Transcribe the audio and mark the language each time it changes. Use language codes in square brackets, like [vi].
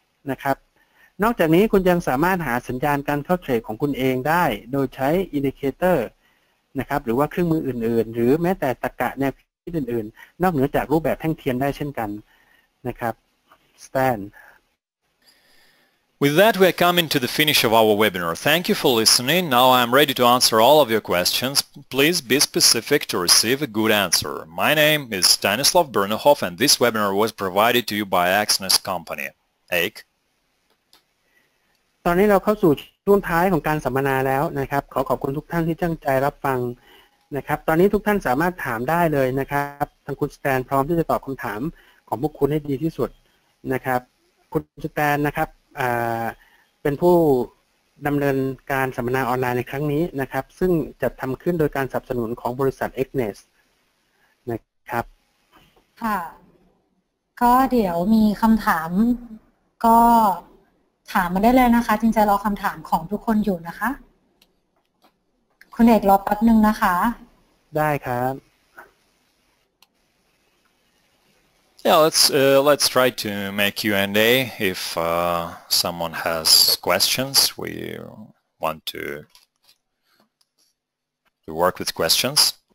[th] นะครับนอกจากนี้คุณยังสามารถหาสัญญาณการเข้าเทรดของคุณเองได้โดยใช้อินดิเคเตอร์นะครับหรือว่าเครื่องมืออื่นๆหรือแม้แต่ตรรกะแนวคิดอื่นๆนอกเหนือจากรูปแบบแท่งเทียนได้เช่นกันนะครับสแตน [en] With that, we are coming to the finish of our webinar. Thank you for listening. Now I am ready to answer all of your questions. Please be specific to receive a good answer. My name is Stanislav Bernhoff and this webinar was provided to you by Axness Company. Eik? [th] ตอนนี้เราเข้าสู่ช่วงท้ายของการสัมมนาแล้วนะครับขอขอบคุณทุกท่านที่ตั้งใจรับฟังนะครับตอนนี้ทุกท่านสามารถถามได้เลยนะครับทางคุณสแตนพร้อมที่จะตอบคำถามของพวกคุณให้ดีที่สุดนะครับคุณสแตนนะครับเป็นผู้ดำเนินการสัมมนาออนไลน์ในครั้งนี้นะครับซึ่งจัดทำขึ้นโดยการสนับสนุนของบริษัท Agnes นะครับ ค่ะก็เดี๋ยวมีคำถามก็ถามมาได้เลยนะคะจริงใจรอคำถามของทุกคนอยู่นะคะคุณเอกรอแป๊บนึงนะคะ ได้ครับ [en] Yeah, let's try to make Q&A if someone has questions. We want to work with questions.